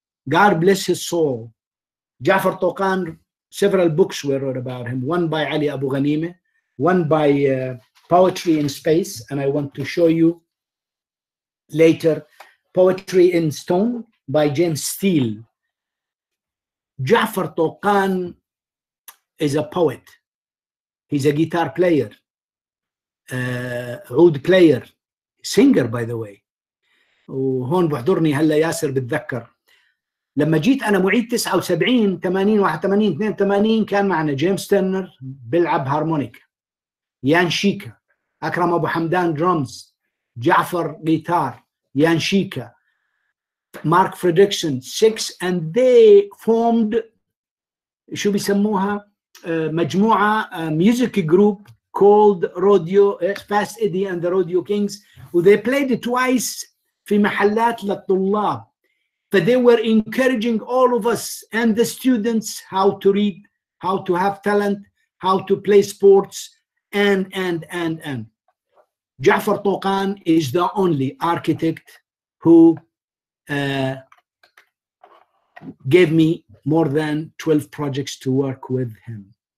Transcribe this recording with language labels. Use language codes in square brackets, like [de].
[en] God bless his soul. Jafar Toqan, several books were wrote about him, one by Ali Abu Ghanime, one by Poetry in Space, and I want to show you later, Poetry in Stone by James Steele. Jafar Toqan is a poet. He's a guitar player, oud player, singer, by the way. [ar] وهون بحضرني هلا ياسر بتذكر لما جيت انا معيد 79 80 81 82 كان معنا جيمس تيرنر بيلعب هارمونيكا، يان شيكا، اكرم ابو حمدان درمز، جعفر جيتار، يان شيكا، [en] Mark Fredrickson 6، and they formed شو [ar] بيسموها [en] مجموعه music group called Rodeo Fast Eddie and the Rodeo Kings, وذي played twice [ar] في محلات للطلاب. [en] But they were encouraging all of us and the students how to read, how to have talent, how to play sports, and. Jafar Toqan is the only architect who gave me more than 12 projects to work with him.